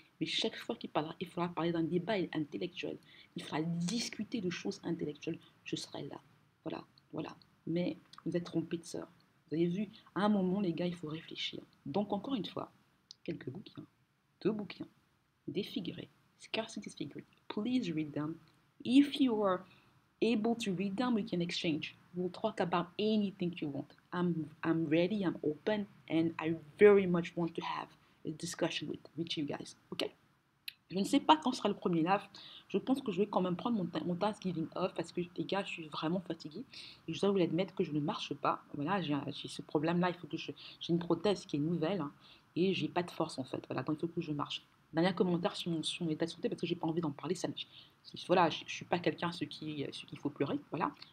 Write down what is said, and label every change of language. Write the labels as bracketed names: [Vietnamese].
[French] Mais chaque fois qu'il parlera, il faudra parler d'un débat intellectuel, il faudra discuter de choses intellectuelles, je serai là, voilà. Mais vous êtes trompés de sœur, vous avez vu, à un moment, les gars, il faut réfléchir. Donc encore une fois, quelques bouquins, deux bouquins, défigurés, scarcity figure, [English] please read them. If you are able to read them, we can exchange. We'll talk about anything you want. I'm ready, I'm open, and I very much want to have a discussion with you guys, ok? [French] Je ne sais pas quand sera le premier live. Je pense que je vais quand même prendre mon Thanksgiving off parce que, les gars, je suis vraiment fatiguée. Et je dois vous l'admettre que je ne marche pas. Voilà, j'ai ce problème-là, il faut que j'ai une prothèse qui est nouvelle, hein, et j'ai pas de force, en fait. Voilà, donc il faut que je marche. Dernier commentaire sur mon état de santé parce que j'ai pas envie d'en parler, voilà, je suis pas quelqu'un ce qu'il faut pleurer, voilà.